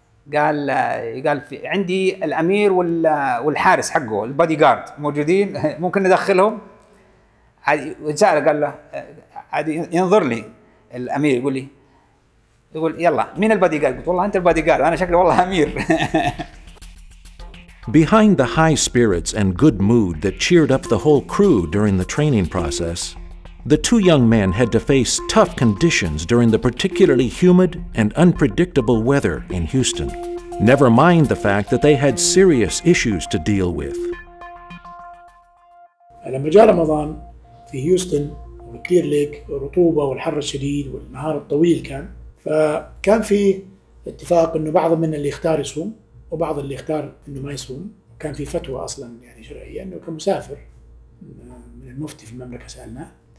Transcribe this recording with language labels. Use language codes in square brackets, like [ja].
[ar] قال في عندي الأمير والحارس حقه البادي جارد موجودين ممكن ندخلهم. سأل قال له عادي ينظر لي الأمير يقول لي يقول يلا مين البادي جارد؟ قلت والله أنت البادي جارد أنا شكلي والله أمير. [en] Behind the high spirits and good mood that cheered up the whole crew during the training process, the two young men had to face tough conditions during the particularly humid and unpredictable weather in Houston. Never mind the fact that they had serious issues to deal with. [ar] لما جاء رمضان في هيوستن والكلير ليك الرطوبة والحر الشديد والنهار الطويل كان فكان في اتفاق انه بعض من اللي يختار يصوم وبعض اللي اختار انه ما يصوم. كان في فتوى اصلا يعني شرعية انه كمسافر من المفتي في المملكة سألنا.